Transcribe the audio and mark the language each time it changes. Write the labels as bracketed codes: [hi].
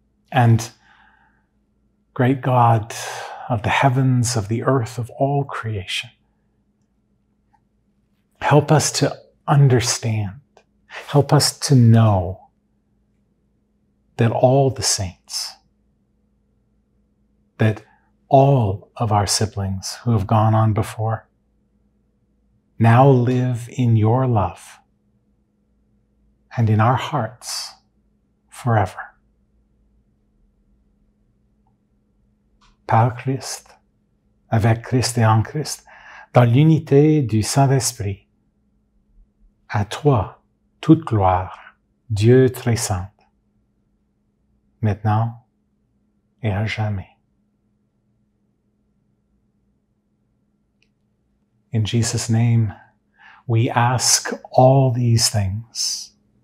[en] And great God of the heavens, of the earth, of all creation, help us to understand, help us to know that all the saints, that all of our siblings who have gone on before, now live in your love and in our hearts forever. [fr] Par Christ, avec Christ et en Christ, dans l'unité du Saint-Esprit, à toi toute gloire, Dieu très saint, maintenant et à jamais. [en] In Jesus' name, we ask all these things.